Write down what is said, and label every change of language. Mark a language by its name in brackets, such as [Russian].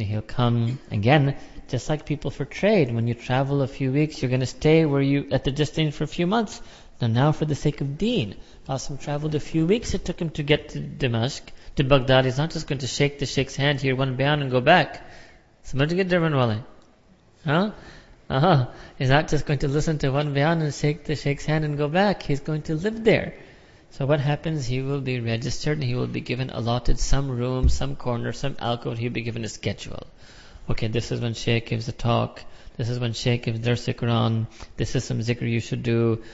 [English] He'll come again, just like people for trade. When you travel a few weeks, you're going to stay where you at the destination for a few months. Now for the sake of deen, Qasim traveled a few weeks it took him to get to Dimashq, to Baghdad. He's not just going to shake the Shaykh's hand, hear one bayan and go back. [Urdu] سمجھ گئے دربانوالے؟ [English] He's not just going to listen to one bayan and shake the Shaykh's hand and go back. He's going to live there. So what happens? He will be registered and he will be given allotted some room, some corner, some alcove. He'll be given a schedule. Okay, this is when Shaykh gives a talk. This is when Shaykh gives Darsi Quran. This is some zikr you should do.